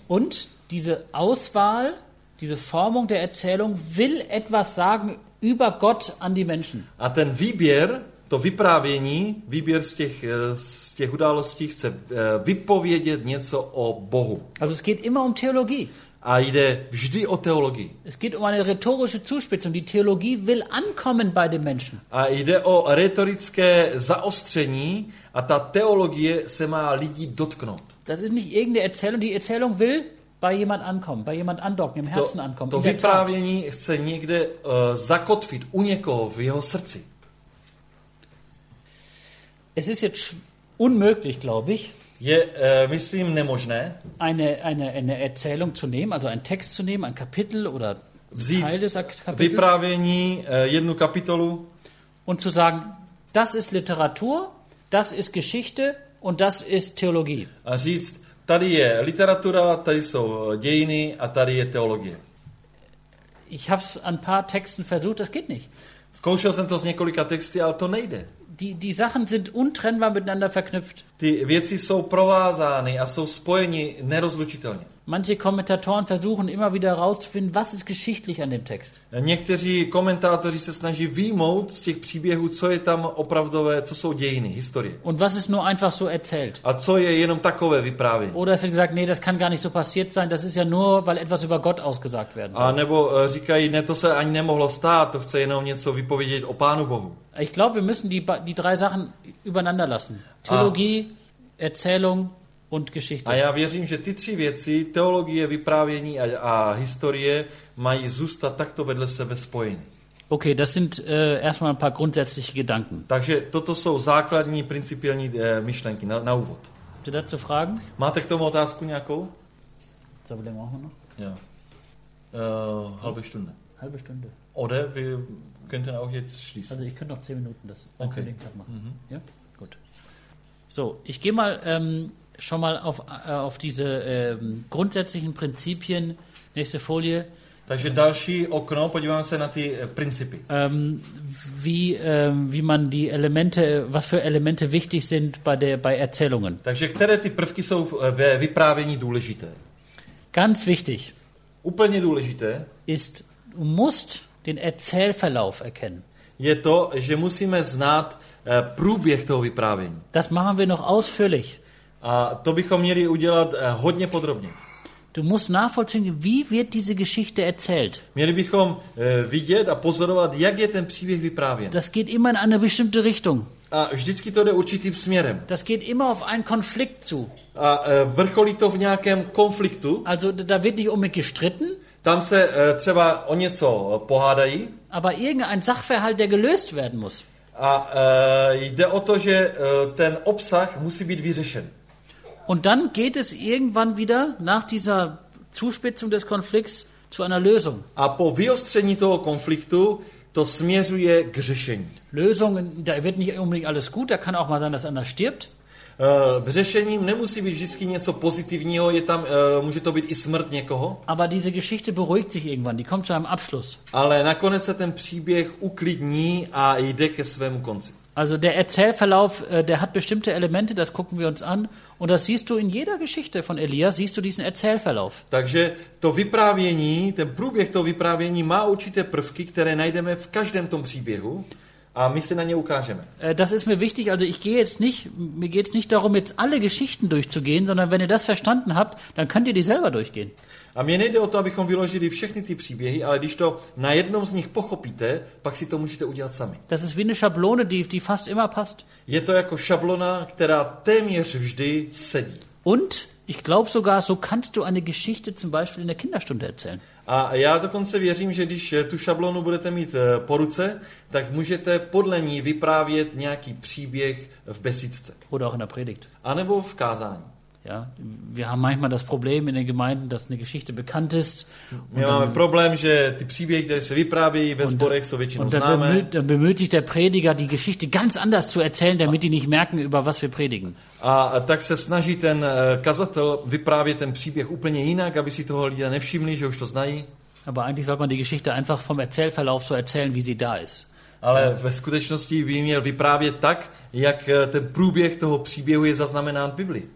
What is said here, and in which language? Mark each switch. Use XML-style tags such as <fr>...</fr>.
<de>Und diese Auswahl, diese Formung der Erzählung will etwas sagen über Gott an die Menschen.</de> <cs>A ten výběr, to vyprávění, výběr z těch událostí chce vypovědět něco o Bohu.</cs> <de>Also es geht immer um Theologie.</de> <cs>A jde vždy o teologii.</cs> <de>Es geht um eine rhetorische Zuspitzung. Die Theologie will ankommen bei den Menschen.</de> <cs>A jde o retorické zaostření a ta teologie se má lidí dotknout.</cs> <de>Das ist nicht irgendeine Erzählung. Die Erzählung will bei jemand ankommen, bei jemand andocken, im Herzen ankommen.</de> <cs>To vyprávění chce někde zakotvit u někoho v jeho srdci.</cs> <de>Es ist jetzt unmöglich, glaube ich.</de> <cs>Je, myslím, nemožné</cs> <de>eine Erzählung zu nehmen, also einen Text zu nehmen, ein Kapitel oder Teil des Kapitels.</de> <cs>Vyprávění, jednu kapitolu.</cs> <de>Und zu sagen, das ist Literatur, das ist Geschichte und das ist Theologie.</de> <cs>A říct, tady je literatura, tady jsou dějiny a tady je teologie.</cs> <de>Ich habe es an ein paar Texten versucht, das geht nicht.</de> <cs>Zkoušel jsem to z několika texty, ale to nejde.</cs> <de>Die Sachen sind untrennbar miteinander verknüpft.</de> <cs>Ty věci jsou provázány a jsou spojeni nerozlučitelně.</cs> <de>Manche Kommentatoren versuchen immer wieder rauszufinden, was ist geschichtlich an dem Text.</de> <cs>Někteří komentátoři se snaží vyjmout z těch příběhů, co je tam opravdové, co jsou dějiny, historie.</cs> <de>Und was ist nur einfach so erzählt.</de> <cs>A co je jenom takové vyprávění.</cs> <de>Oder wird gesagt, nee, das kann gar nicht so passiert sein, das ist ja nur, weil etwas über Gott ausgesagt werden soll.</de> <cs>A nebo říkají, ne, to se ani nemohlo stát, to chce jenom něco vypovědět o Pánu Bohu.</cs> <de>Ich glaube, wir müssen die drei Sachen übereinander lassen. Theologie, Erzählung und Geschichte.</de> <cs>A já věřím, že ty tři věci, teologie, vyprávění a historie, mají zůstat takto vedle sebe spojeny.</cs> <de>Okay, das sind erstmal ein paar grundsätzliche Gedanken.</de> <cs>Takže toto jsou základní principiální myšlenky na úvod. Chcete</cs> <de>dazu fragen?</de> <cs>Máte k tomu otázku nějakou? Co bude mohlo?</cs> <de>Ja. Halbe Stunde. Halbe Stunde. Oder wir könnten auch jetzt schließen. Also ich könnte noch 10 Minuten das unbedingt machen. Mm-hmm. Ja, gut. So, ich gehe mal schon mal auf diese grundsätzlichen Prinzipien. Nächste Folie.</de> <cs>Takže další okno, podíváme se na ty principy.</cs> <de>Wie man die Elemente, was für Elemente wichtig sind bei Erzählungen.</de> <cs>Takže které ty prvky jsou ve vyprávění důležité?</cs> <de>Ganz wichtig.</de> <cs>Úplně důležité.</cs> <de>Ist, du musst den Erzählverlauf erkennen.</de> <cs>Je to, že musíme znát průběh toho vyprávění.</cs> <de>Das machen wir noch ausführlich.</de> <cs>A to bychom měli udělat hodně podrobně.</cs> <de>Du musst nachvollziehen, wie wird diese Geschichte erzählt.</de> <cs>Měli bychom vidět a pozorovat, jak je ten příběh vyprávěn.</cs> <de>Das geht immer in eine bestimmte Richtung.</de> <cs>A vždycky to jde určitým směrem.</cs> <de>Das geht immer auf einen Konflikt zu.</de> <cs>A vrcholí to v nějakém konfliktu.</cs> <de>Also da wird nicht unbedingt gestritten.</de> <cs>Tam se třeba o něco pohádají.</cs> <de>Aber irgendein Sachverhalt, der gelöst werden muss.</de> <cs>A jde o to, že ten obsah musí být vyřešen.</cs> <de>Und dann geht es irgendwann wieder nach dieser Zuspitzung des Konflikts zu einer Lösung.</de> <cs>A po vyostření toho konfliktu to směřuje k řešení.</cs> <de>Lösung, da wird nicht unbedingt alles gut, da kann auch mal sein, dass einer stirbt.</de> <cs>Řešením nemusí být vždycky něco pozitivního, je tam může to být i smrt někoho.</cs> <de>Aber diese Geschichte beruhigt sich irgendwann, die kommt zu einem Abschluss.</de> <cs>Ale nakonec se ten příběh uklidní a jde ke svému konci.</cs> <de>Also der Erzählverlauf, der hat bestimmte Elemente, das gucken wir uns an und das siehst du in jeder Geschichte von Elia, siehst du diesen Erzählverlauf.</de> <cs>Takže to vyprávění, ten průběh toho vyprávění má určité prvky, které najdeme v každém tom příběhu. A my se na ně ukážeme.</cs> <de>Das ist mir wichtig, also ich gehe jetzt nicht, mir geht's nicht darum jetzt alle Geschichten durchzugehen, sondern wenn ihr das verstanden habt, dann könnt ihr die selber durchgehen.</de> <cs>A mně nejde o to, abychom vyložili všechny ty příběhy, ale když to na jednom z nich pochopíte, pak si to můžete udělat sami.</cs> <de>Das ist wie eine Schablone, die fast immer passt.</de> <cs>Je to jako šablona, která téměř vždy sedí.</cs> <de>Und ich glaube sogar, so kannst du eine Geschichte zum Beispiel in der Kinderstunde erzählen.</de> <cs>A já dokonce věřím, že když tu šablonu budete mít po ruce, tak můžete podle ní vyprávět nějaký příběh v besídce.</cs> <de>Oder auch in der Predigt.</de> <cs>A nebo v kázání.</cs> <de>Ja, wir haben manchmal das Problem in den Gemeinden, dass eine Geschichte bekannt ist. Wir haben Problem,</de> <cs>že ty příběhy, které se vyprávějí ve sborech, jsou většinou známé.</cs> <de>Dann bemüht sich der Prediger, die Geschichte ganz anders zu erzählen, damit die nicht merken, über was wir predigen.</de> <cs>A tak se snaží ten kazatel vyprávět ten příběh úplně jinak, aby si toho lidé nevšimli, že už to znají.</cs> <de>Aber eigentlich sollte man die Geschichte einfach vom Erzählverlauf so erzählen, wie sie da ist.</de> <cs>Ale ve skutečnosti by měl vyprávět tak, jak ten průběh toho příběhu je zaznamenán v Biblii.</cs>